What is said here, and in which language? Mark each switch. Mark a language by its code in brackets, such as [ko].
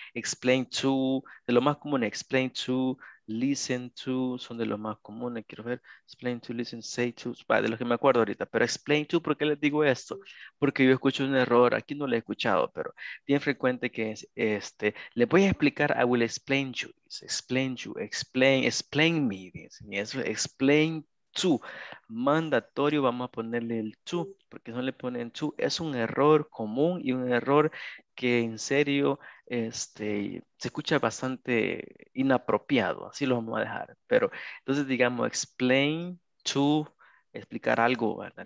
[en] Explain to, [es] de lo más común, [en] explain to, listen to, [es] son de lo más comunes, quiero ver. [en] Explain to, listen, say to, [es] de lo que me acuerdo ahorita. Pero [en] explain to, [es] ¿por qué les digo esto? Porque yo escucho un error, aquí no lo he escuchado, pero bien frecuente que es este. Le voy a explicar, [en] I will explain you. Explain you, explain me. [es] Y eso, [en] explain to, [es] mandatorio, vamos a ponerle el to, porque no le ponen to, es un error común y un error que en serio se escucha bastante inapropiado, así lo vamos a dejar, pero entonces digamos explain to, explicar algo, ¿verdad?